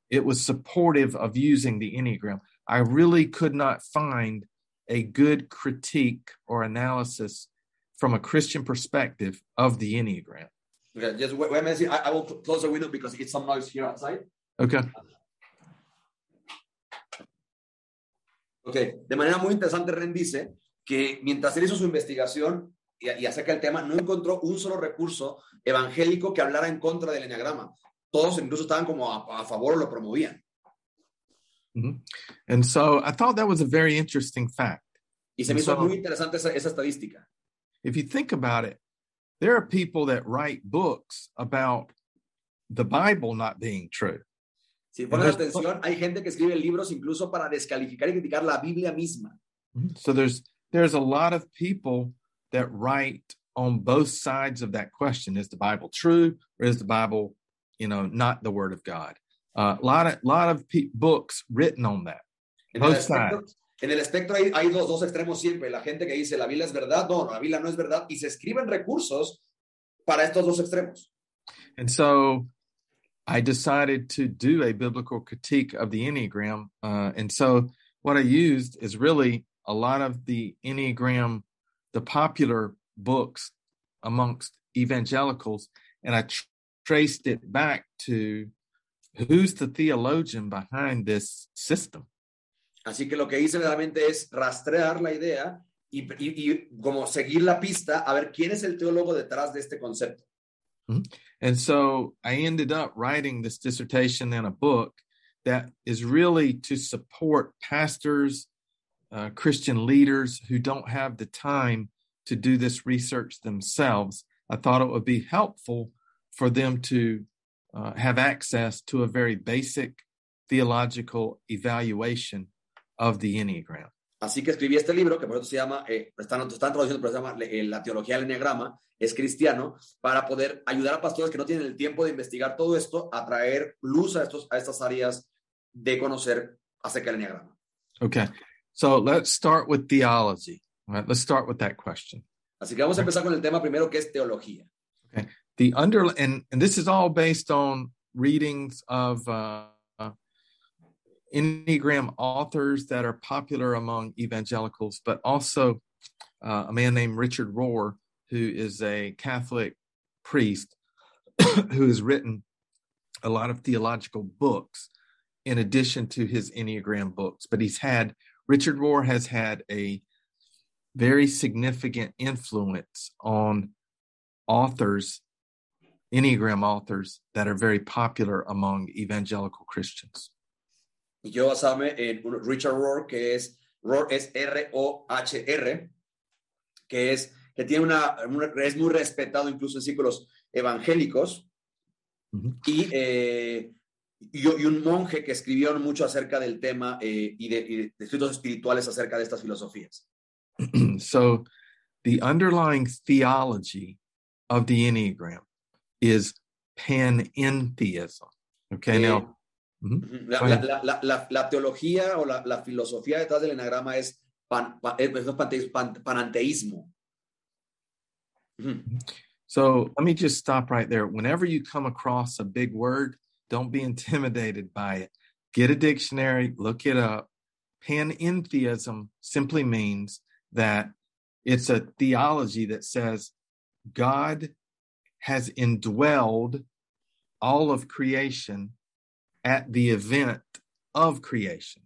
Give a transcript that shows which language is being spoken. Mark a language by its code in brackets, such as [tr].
[en] It was supportive of using the Enneagram. I really could not find a good critique or analysis from a Christian perspective of the Enneagram. Okay, just wait a minute. I will close the window because it's some noise here outside. Okay. Okay. [es] De manera muy interesante, Ren dice que mientras él hizo su investigación y acerca del tema, no encontró un solo recurso evangélico que hablara en contra del Enneagrama. Todos incluso estaban como a favor o lo promovían. [en] And so I thought that was a very interesting fact. [es] Y se me hizo muy interesante esa estadística. [en] If you think about it, there are people that write books about the Bible not being true. [es] Si pones atención, hay gente que escribe libros incluso para descalificar y criticar la Biblia misma. [en] So there's a lot of people that write on both sides of that question. Is the Bible true or is the Bible, you know, not the Word of God? A lot of books written on that. Both sides. [es] En el espectro hay dos extremos siempre. La gente que dice la Biblia es verdad, no, la Biblia no es verdad. Y se escriben recursos para estos dos extremos. [en] And so I decided to do a biblical critique of the Enneagram. And so what I used is really a lot of the Enneagram, the popular books amongst evangelicals. And I traced it back to who's the theologian behind this system. [es] Así que lo que hice realmente es rastrear la idea y como seguir la pista a ver quién es el teólogo detrás de este concepto. [en] And so I ended up writing this dissertation in a book that is really to support pastors, Christian leaders who don't have the time to do this research themselves. I thought it would be helpful for them to have access to a very basic theological evaluation of the Enneagram. [es] Así que escribí este libro que por eso se llama están traduciendo, pero se llama La teología del Enneagrama, es cristiano, para poder ayudar a pastores que no tienen el tiempo de investigar todo esto a traer luz a estas áreas de conocer acerca del Enneagrama. [en] Okay. So let's start with theology. Right? Let's start with that question. [es] Así que vamos a empezar con el tema primero que es teología. [en] Okay. And this is all based on readings of Enneagram authors that are popular among evangelicals, but also a man named Richard Rohr, who is a Catholic priest, who has written a lot of theological books in addition to his Enneagram books. But Richard Rohr has had a very significant influence on authors, Enneagram authors, that are very popular among evangelical Christians. [es] Yo basame en Richard Rohr, que es Rohr es R-O-H-R, es muy respetado incluso en círculos evangélicos. Mm-hmm. Y un monje que escribió mucho acerca del tema y de escritos espirituales acerca de estas filosofías. [en] So the underlying theology of the Enneagram is panentheism. Okay, now. Mm-hmm. [es] La teología o la filosofía detrás del Enneagrama es panenteísmo. [en] So let me just stop right there. Whenever you come across a big word, don't be intimidated by it. Get a dictionary, look it up. Panentheism simply means that it's a theology that says God has indwelled all of creation at the event of creation.